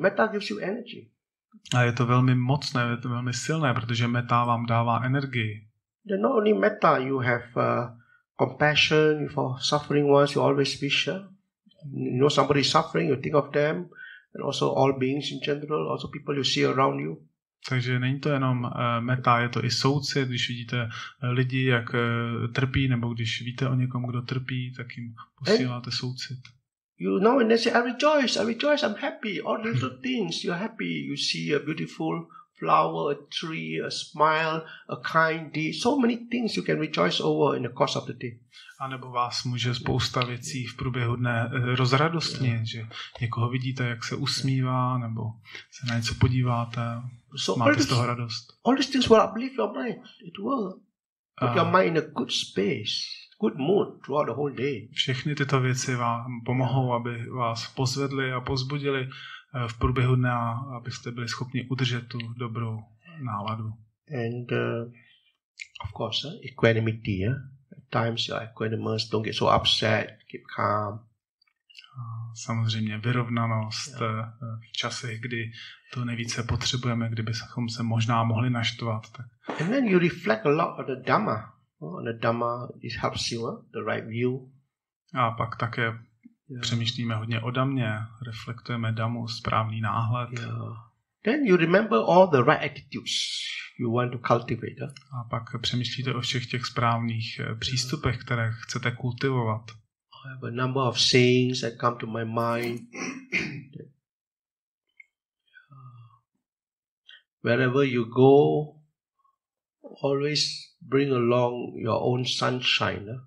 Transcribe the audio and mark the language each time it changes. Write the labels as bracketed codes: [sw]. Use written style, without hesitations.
[en] Metta gives you energy. [cs] A je to velmi mocné, je to velmi silné, protože metta vám dává energii. [en] Then not only metta, you have compassion for suffering ones, you always wish. You know somebody is suffering, you think of them, and also all beings in general, also people you see around you. [cs] Takže není to jenom meta, je to i soucit, když vidíte lidi, jak trpí, nebo když víte o někom, kdo trpí, tak jim posíláte [en] and [cs] soucit. [en] You know, and they say, I rejoice, I'm happy, all the little things, you're happy, you see a beautiful flower, a tree, a smile, a kind deed, so many things you can rejoice over in the course of the day. [cs] A nebo vás může spousta věcí v průběhu dne rozradostnit, že někoho vidíte, jak se usmívá, nebo se na něco podíváte, [en] so [cs] máte z toho radost. [en] All these things will uplift your mind, it will put your mind in a good space. Good mood throughout the whole day. [cs] Všechny tyto věci vám pomohou, aby vás pozvedli a pozbudili v průběhu dne, abyste byli schopni udržet tu dobrou náladu. [en] And of course, equanimity. At times your equanimous, don't get so upset, keep calm. [cs] Samozřejmě vyrovnanost v časech, kdy to nejvíce potřebujeme, kdybychom se možná mohli naštvat. Tak. [en] And then you reflect a lot of the Dhamma. On the Dhamma, it helps you, the right view. [cs] A pak také přemýšlíme hodně o Dhamě, reflektujeme Dhamu, správný náhled. [en] Yeah. Then you remember all the right attitudes you want to cultivate. [cs] A pak přemýšlíte o všech těch správných přístupech, které chcete kultivovat. [en] I have a number of sayings that come to my mind. Wherever you go, always bring along your own sunshine.